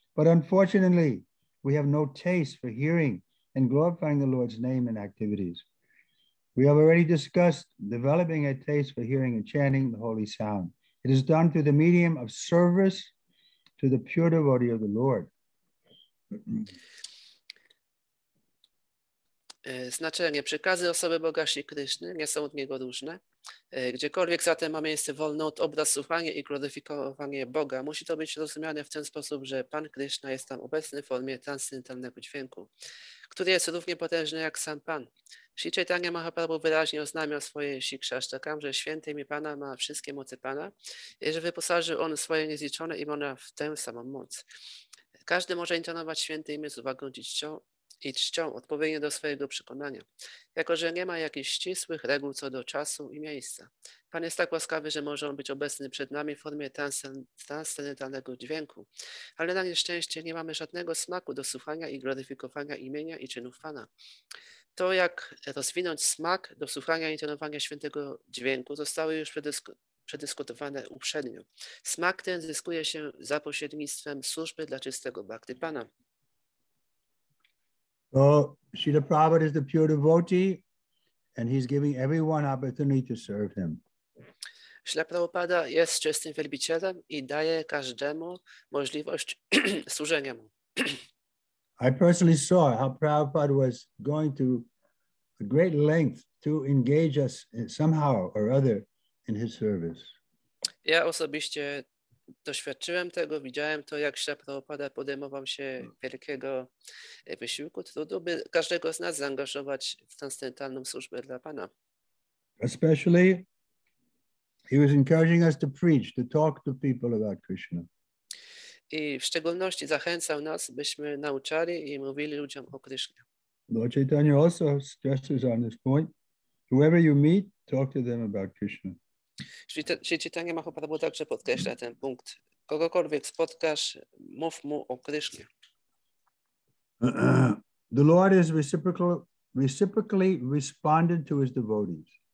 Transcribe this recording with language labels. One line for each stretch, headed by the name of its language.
English: But unfortunately, we have no taste for hearing and glorifying the Lord's name and activities. We have already discussed developing a taste for hearing and chanting the holy sound. It is done through the medium of service to the pure devotee of the Lord.
Polish: Znaczenie. Przekazy osoby Boga Śri Kryszny nie są od niego różne. Gdziekolwiek zatem ma miejsce wolne od obraz słuchanie i gloryfikowanie Boga, musi to być rozumiane w ten sposób, że Pan Kryszna jest tam obecny w formie transcendentalnego dźwięku, który jest równie potężny jak sam Pan. Śri Chaitanya Mahaprabhu wyraźnie oznajmił swoje Shikshashtakam, że święty imię Pana ma wszystkie moce Pana i że wyposażył on swoje niezliczone imiona w tę samą moc. Każdy może intonować święte imię z uwagą i czcią odpowiednio do swojego przekonania, jako że nie ma jakichś ścisłych reguł co do czasu i miejsca. Pan jest tak łaskawy, że może on być obecny przed nami w formie transcendentalnego dźwięku, ale na nieszczęście nie mamy żadnego smaku do słuchania i gloryfikowania imienia i czynów Pana. To, jak rozwinąć smak do słuchania i intonowania świętego dźwięku, zostały już przedyskutowane uprzednio. Smak ten zyskuje się za pośrednictwem służby dla czystego bhakti Pana.
English: So, Śrīla Prabhupāda is the pure devotee, and he's giving everyone opportunity to serve him.
Polish: Śrīla Prabhupāda jest czystym wielbicielem i daje każdemu możliwość służenia mu.
English: I personally saw how Prabhupāda was going to a great length to engage us somehow or other in his service.
Polish: Ja osobiście doświadczyłem tego, widziałem to, jak Śrīla Prabhupāda podejmował się wielkiego wysiłku, trudu, by każdego z nas zaangażować w transcendentalną służbę dla Pana.
English: Especially, he was encouraging us to preach, to talk to people about Krishna.
Polish: I w szczególności zachęcał nas, byśmy nauczali i mówili ludziom o Krishna.
English: Lord Chaitanya also stresses on this point. Whoever you meet, talk to them about Krishna.
Polish: Czytanie Mahaprabhu także podkreśla ten punkt. Kogokolwiek spotkasz, mów mu o Krysznie.
English: The Lord is reciprocally responded to his devotees.